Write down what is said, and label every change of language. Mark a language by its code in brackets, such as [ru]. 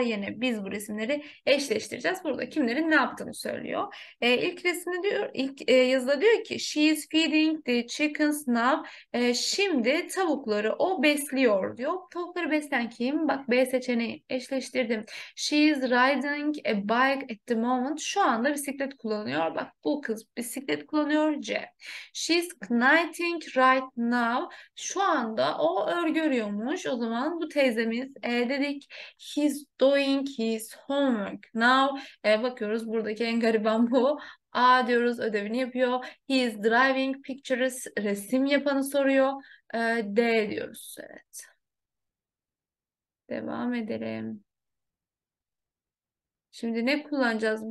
[tr] Yine biz bu resimleri eşleştireceğiz. Burada kimlerin ne yaptığını söylüyor. İlk resimde diyor, ilk yazıda diyor ki [en] she is feeding the chickens now. [tr] Şimdi tavukları o besliyor diyor. Tavukları besleyen kim? Bak, B seçeneği eşleştirdim. [en] She is riding a bike at the moment. [tr] Şu anda bisiklet kullanıyor. Bak, bu kız bisiklet kullanıyor. C. [en] She is knitting right now. [tr] Şu anda o örgü örüyormuş. O zaman bu teyzemiz dedik. [en] He's doing his homework now. [tr] Bakıyoruz, buradaki en gariban bu. A diyoruz, ödevini yapıyor. [en] He's drawing pictures, [tr] resim yapanı soruyor. D diyoruz. Evet. Devam edelim. Şimdi ne kullanacağız?